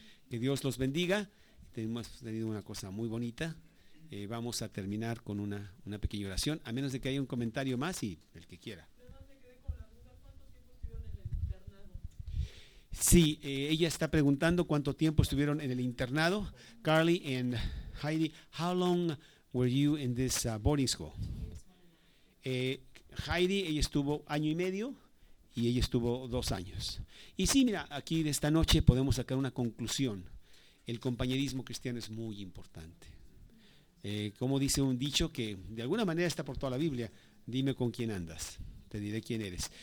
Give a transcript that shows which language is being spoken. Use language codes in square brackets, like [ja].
[es] Que Dios los bendiga. Hemos tenido una cosa muy bonita. Vamos a terminar con una pequeña oración, a menos de que haya un comentario más y el que quiera. Sí, ella está preguntando cuánto tiempo estuvieron en el internado. [en] Carly and Heidi, how long were you in this boarding school? [es] Heidi, ella estuvo 1 año y medio y ella estuvo 2 años. Y sí, mira, aquí de esta noche podemos sacar una conclusión. El compañerismo cristiano es muy importante. Como dice un dicho que de alguna manera está por toda la Biblia, dime con quién andas, te diré quién eres.